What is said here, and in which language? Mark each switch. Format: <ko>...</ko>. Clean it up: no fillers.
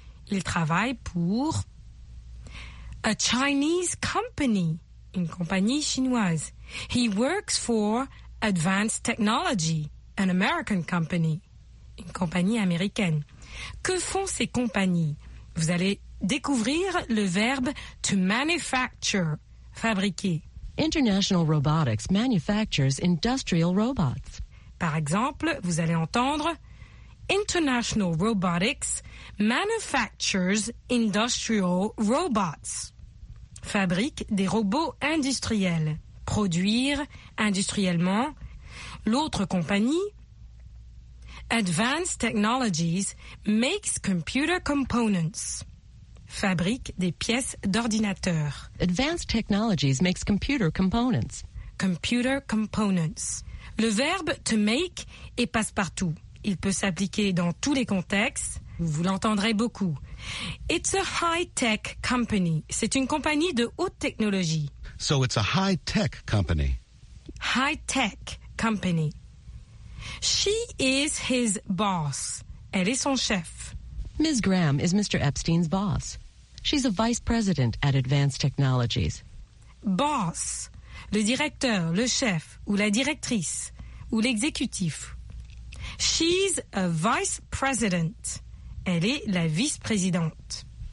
<fr>Il travaille pour</fr> <en>a Chinese company,</en> <fr>une compagnie chinoise.</fr> <en>He works for Advanced Technology, an American company,</en> <fr>une compagnie américaine. Que font ces compagnies? Vous allez découvrir le verbe to manufacture, fabriquer.</fr> <en>International Robotics manufactures industrial robots.</en> <fr>Par exemple, vous allez entendre</fr> <en>International Robotics manufactures industrial robots.</en> <fr>Fabrique des robots industriels. Produire industriellement. L'autre compagnie, Advanced Technologies</fr> <en>makes computer components.</en> <fr>Fabrique des pièces d'ordinateur.</fr> <en>Advanced Technologies makes computer components. Computer components.</en> <fr>Le verbe to make est passe-partout. Il peut s'appliquer dans tous les contextes. Vous l'entendrez beaucoup.</fr> <en>It's a high-tech company.</en> <fr>C'est une compagnie de haute technologie.</fr> <en>So it's a high-tech company. High-tech company. She is his boss.</en> <fr>Elle est son chef.</fr> <en>Ms. Graham is Mr. Epstein's boss. She's a vice president at Advanced Technologies. Boss.</en> <fr>Le directeur, le chef, ou la directrice, ou l'exécutif.</fr> <en>She's a vice president.</en> <fr>Elle est la vice-présidente.</fr>